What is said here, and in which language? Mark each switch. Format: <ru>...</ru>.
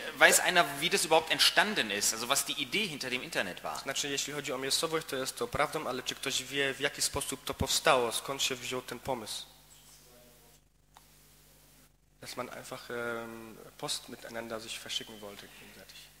<de>Weiß einer, wie das überhaupt entstanden ist? Also was die Idee hinter dem Internet war?</de> <pl>Znaczy, jeśli chodzi o miejscowość, to jest to prawdą, ale czy ktoś wie, w jaki sposób to powstało? Skąd się wziął ten pomysł?</pl> <de>Dass man einfach Post miteinander sich verschicken wollte gegenseitig.</de>